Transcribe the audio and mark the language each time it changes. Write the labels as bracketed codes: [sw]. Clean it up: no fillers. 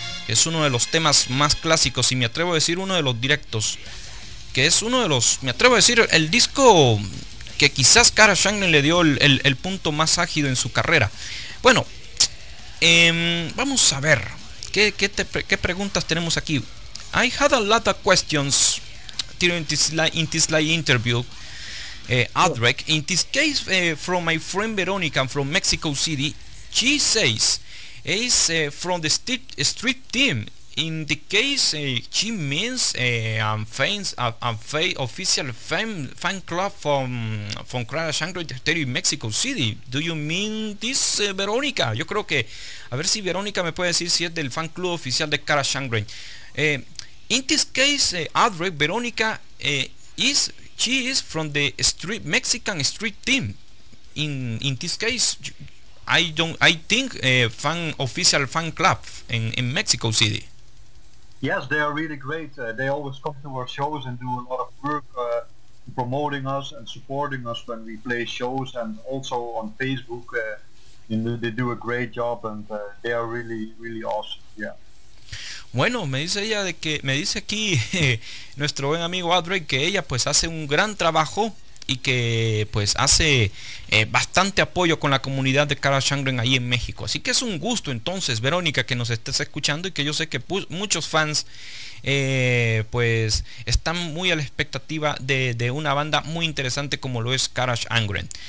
[es] Es uno de los temas más clásicos, y me atrevo a decir uno de los directos, que es uno de los, me atrevo a decir, el disco que quizás Carach Angren le dio el punto más ágido en su carrera. Bueno, vamos a ver qué preguntas tenemos aquí. [en] I had a lot of questions during this interview, Adric. In this case, from my friend Veronica from Mexico City, she says is from the street team. In the case, she means fans, official fan club from Carach Angren in Mexico City. Do you mean this, Veronica? [es] Yo creo que, a ver si Veronica me puede decir si es del fan club oficial de Carach Angren. [en] In this case, Adric, Veronica She is from the street Mexican street team. In this case, I think official fan club in Mexico City. Yes, they are really great. They always come to our shows and do a lot of work promoting us and supporting us when we play shows, and also on Facebook. They do a great job, and they are really, really awesome. Yeah. [es] Bueno, me dice ella de que me dice aquí nuestro buen amigo Adrey que ella pues hace un gran trabajo y que pues hace bastante apoyo con la comunidad de Carach Angren ahí en México. Así que es un gusto entonces, Verónica, que nos estés escuchando y que yo sé que muchos fans pues están muy a la expectativa de una banda muy interesante como lo es Carach Angren.